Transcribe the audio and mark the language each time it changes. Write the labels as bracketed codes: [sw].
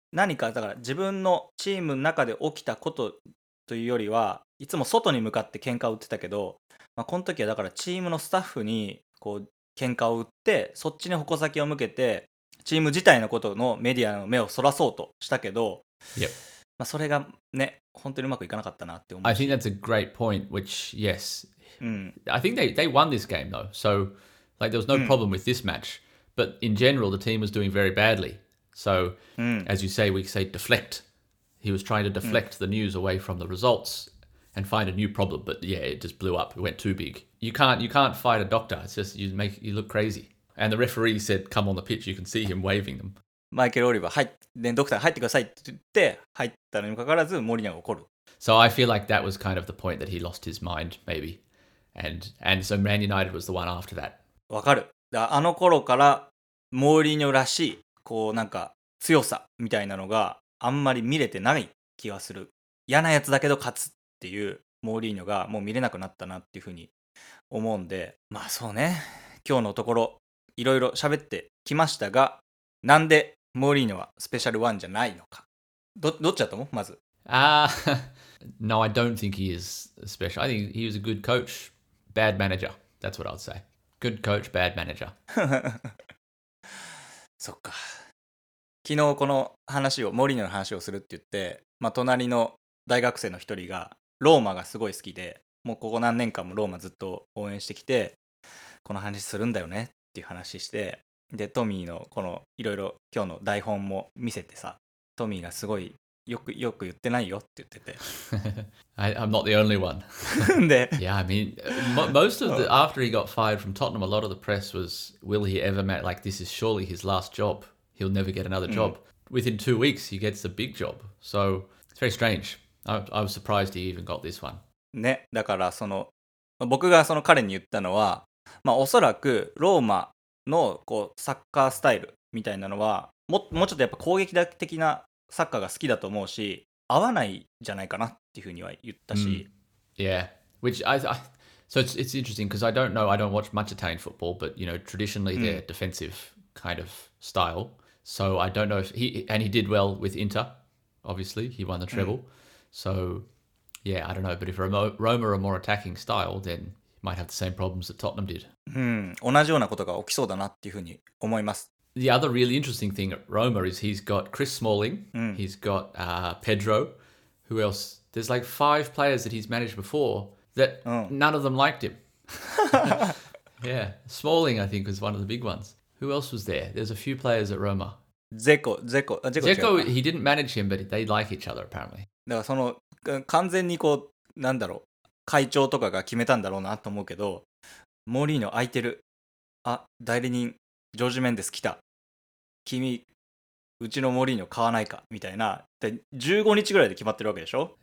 [ja] 何かだから自分のチームの中で起きたことというよりは、いつも外に向かって喧嘩を打ってたけど、まあ、この時はだからチームのスタッフにこう喧嘩を打って、そっちに矛先を向けて、チーム自体のことのメディアの目をそらそうとしたけど、 [en] yep. [ja] まあそれがね、本当にうまくいかなかったなって思う。 [en] I think that's a great point, which, yes.、 [ja] うん、 [en] I think they won this game, though. So, like, there was no problem with this match. But in general, the team was doing very badly. So,、 [ja] うん、 [en] as you say, we say deflect. He was trying to deflect、うん、the news away from the results. And find a new problem, but yeah, it just blew up. It went too big. You can't fight a doctor. It's just you look crazy. And the referee said, "Come on the pitch." You can see him waving them. [ja] Michael Oliver, [en] hi, then doctor, [ja] 入ってくださいって言って入ったのにもかかわらず、モーリーニョが怒る。 [en] So I feel like that was kind of the point that he lost his mind, maybe. And so Man United was the one after that. [ja] わかる。あの頃からモーリーニョらしいこうなんか強さみたいなのがあんまり見れてない気がする。嫌なやつだけど勝つ。っていうモーリーニョがもう見れなくなったなっていうふうに思うんで、まあそうね、今日のところいろいろ喋ってきましたが、なんでモーリーニョはスペシャルワンじゃないのか、どっちだと思う、まず。 [en] No, I don't think he is special. I think he was a good coach, bad manager. That's what I would say. Good coach, bad manager. [ja] そっか。昨日この話を、モーリーニョの話をするって言って、まあ隣の大学生の一人がローマがすごい好きで、もうここ何年間もローマずっと応援してきて、この話するんだよねっていう話して、で、トミーのこのいろいろ今日の台本も見せてさ、トミーがすごいよく言ってないよって言ってて。 [en] I'm not the only one. [ja] で、 [en] Yeah, I mean, most of the, after he got fired from Tottenham, a lot of the press was, will he ever make, like, this is surely his last job. He'll never get another job. Within 2 weeks, he gets a big job. So, it's very strange. I was surprised he even got this one. [ja] ね、だからその僕がその彼に言ったのは、まあおそらくローマのこうサッカースタイルみたいなのは、もうちょっとやっぱ攻撃的なサッカーが好きだと思うし、合わないじゃないかなっていうふうには言ったし。 [en] Yeah, which I so it's interesting because I don't watch much Italian football, but you know traditionally they're defensive kind of style. So I don't know if he did well with Inter. Obviously, he won the treble. So, yeah, I don't know. But if Roma are more attacking style, then you might have the same problems that Tottenham did. [ja] 同じようなことが起きそうだなっていうふうに思います。 [en] The other really interesting thing at Roma is he's got Chris Smalling. He's got Pedro. Who else? There's like five players that he's managed before that none of them liked him. Yeah, Smalling, I think, was one of the big ones. Who else was there? There's a few players at Roma. Zeko. He didn't manage him, but they like each other, apparently. [ja] だからその完全にこうなんだろう会長とかが決めたんだろうなと思うけど、モーリーの空いてる、あ代理人ジョージメンデス来た、君うちのモーリーの買わないかみたいな、で15日ぐらいで決まってるわけでしょ、